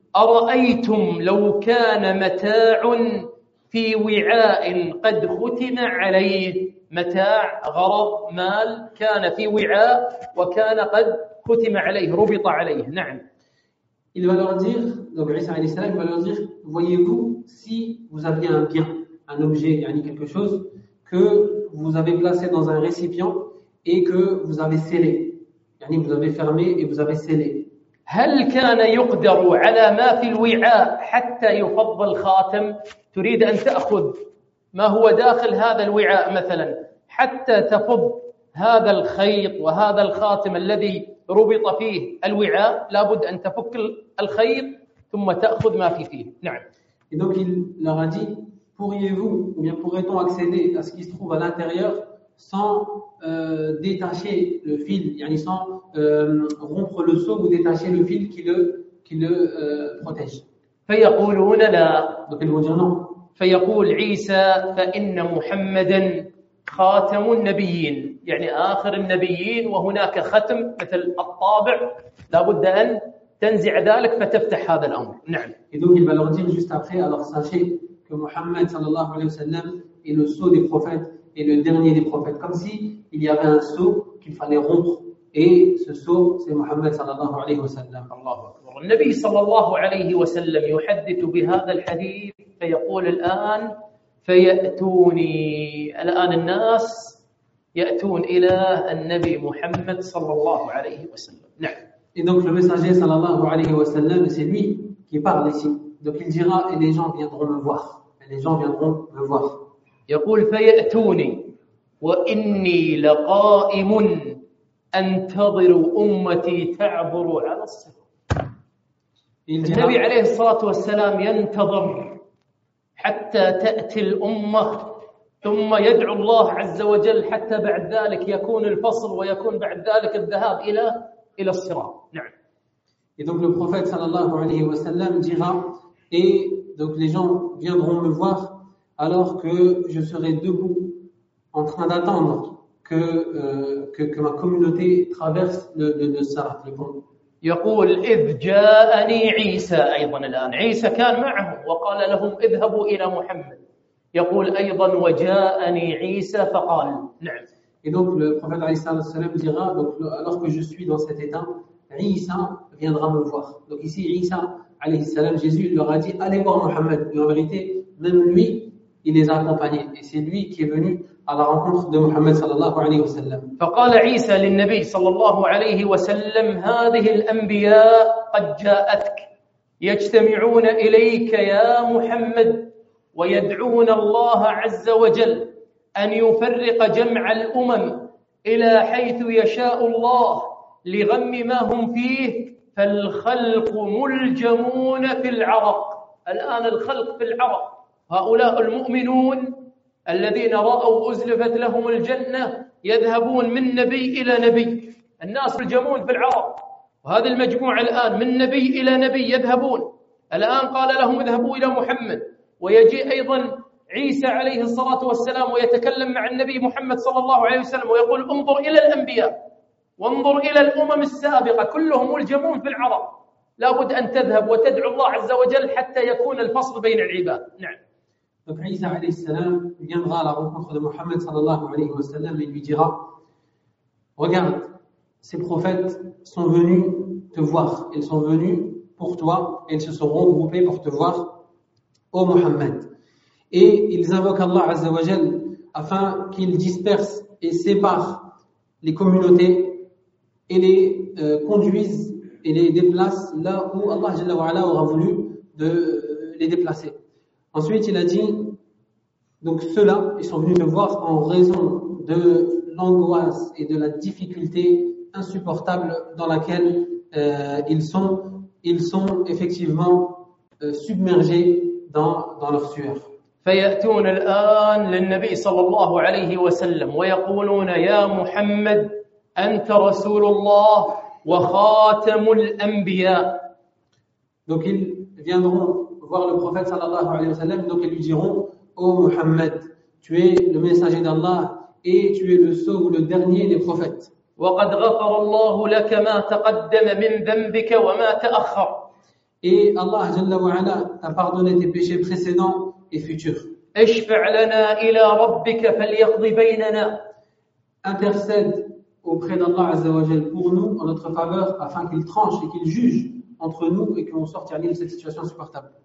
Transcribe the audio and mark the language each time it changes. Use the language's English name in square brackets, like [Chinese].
[Arabic] أرأيتم لو كان متاع في وعاء قد ختم عليه متاع غرض مال كان في وعاء وكان قد ختم عليه ربط عليه. نعم. [French] Il va leur dire, donc Isa [Arabic] alayhi salam [French] va leur dire, voyez-vous si vous aviez un bien, un objet, yani quelque chose que vous avez placé dans un récipient et que vous avez scellé, yani vous avez fermé et vous avez scellé. [Arabic] هل كان يقدر على ما في الوعاء حتى يفضل خاتم تريد أن تأخذ ما هو داخل هذا الوعاء مثلا حتى تفض هذا الخيط وهذا الخاتم الذي ربط فيه الوعاء لابد أن تفك الخيط ثم تأخذ ما في فيه. نعم. [French] Et donc il leur a dit, pourriez-vous ou bien pourrait-on accéder à ce qui se trouve à l'intérieur sans détacher le fil, yani sans rompre le seau ou détacher le fil qui le protège. [Arabic] فيقولون لا. [French] Donc ils vont dire non. [Arabic] فيقول عيسى فإن محمدا خاتم النبيين يعني آخر النبيين وهناك ختم مثل الطابع لا بد أن تنزع ذلك فتفتح هذا الأمر. نعم. إذن البلاغين [French] juste après alors sachez que محمد [Arabic] صلى الله عليه وسلم [French] est le sceau des prophètes et le dernier des prophètes comme si il y avait un sceau qu'il fallait rompre et ce sceau c'est محمد صلى الله عليه وسلم. [Arabic] الله أكبر. النبي صلى الله عليه وسلم يحدث بهذا الحديث فيقول الآن فيأتوني. الآن الناس يأتون إلى النبي محمد صلى الله عليه وسلم. نعم. [French] Et donc le messager [Arabic] صلى الله عليه وسلم, [French] c'est lui qui parle ici. Donc il dira, et les gens viendront me voir. Et les gens viendront me voir. [Arabic] يقول فيأتوني وإني لقائم أنتظر أمتي تعبر على الصراط. النبي عليه الصلاة والسلام ينتظر حتى تأتي الأمة, ثم يدعو الله عز وجل حتى بعد ذلك يكون الفصل ويكون بعد ذلك الذهاب إلى الصراط. نعم. [French] Et donc le prophète صلى الله عليه وسلم dira, et donc les gens viendront me voir alors que je serai debout en train d'attendre que ma communauté traverse le Sirat, le pont. [Arabic] يقول إذ جاءني عيسى, أيضا الآن عيسى كان معه وقال لهم اذهبوا إلى محمد, يقول أيضا وجاءني عيسى فقال. نعم. [French] Et donc le prophète [Arabic] عليه الصلاة والسلام [French] dira, donc alors que je suis dans cet état, عيسى viendra me voir. Donc ici عيسى [Arabic] عليه السلام, [French] Jésus leur a dit allez voir Mohammed, et en vérité même lui il les a accompagnés, et c'est lui qui est venu à la rencontre de Mohammed [Arabic] sallallahu alayhi wa sallam. فقال عيسى للنبي صلى الله عليه وسلم هذه الأنبياء قد جاءتك يجتمعون إليك يا محمد ويدعون الله عز وجل أن يفرق جمع الأمم إلى حيث يشاء الله لغم ما هم فيه, فالخلق ملجمون في العرق. الآن الخلق في العرق, هؤلاء المؤمنون الذين رأوا أزلفت لهم الجنة يذهبون من نبي إلى نبي, الناس ملجمون في العرق, وهذه المجموعة الآن من نبي إلى نبي يذهبون. الآن قال لهم اذهبوا إلى محمد, ويجيء أيضا عيسى عليه الصلاة والسلام ويتكلم مع النبي محمد صلى الله عليه وسلم ويقول انظر إلى الأنبياء وانظر إلى الأمم السابقة كلهم ملجمون في العرق, لابد أن تذهب وتدعو الله عز وجل حتى يكون الفصل بين العباد. نعم. [French] Donc Isa [Arabic] alayhi salam [French] viendra à la rencontre de Mohammed [Arabic] sallallahu alayhi wa sallam [French] et lui dira, regarde, ces prophètes sont venus te voir, ils sont venus pour toi, ils se sont regroupés pour te voir, ô Mohammed. Et ils invoquent Allah [Arabic] azza wa jal [French] afin qu'il disperse et sépare les communautés et les conduise et les déplace là où Allah [Arabic] jalla wa ala [French] aura voulu de les déplacer. Ensuite, il a dit, donc ceux-là, ils sont venus me voir en raison de l'angoisse et de la difficulté insupportable dans laquelle ils sont effectivement submergés dans leur sueur. [Arabic] فيأتون الآن للنبي صلى الله عليه وسلم ويقولون يا محمد أنت رسول الله وخاتم الأنبياء. [French] Donc ils viendront voir le prophète [Arabic] sallallahu alayhi wa sallam, [French] donc ils lui diront ô Muhammad, tu es le messager d'Allah et tu es le sauveur ou le dernier des prophètes. [Arabic] وقد غفر الله لك ما تقدم من ذنبك وما تأخر. [French] Et Allah [Arabic] jalla wa ala [French] t'a pardonné tes péchés précédents et futurs. [Arabic] اشفع لنا الى ربك فليقضي بيننا. [French] Intercède auprès d'Allah [Arabic] azza wa jalla [French] pour nous en notre faveur afin qu'il tranche et qu'il juge entre nous et qu'on sorte de cette situation insupportable.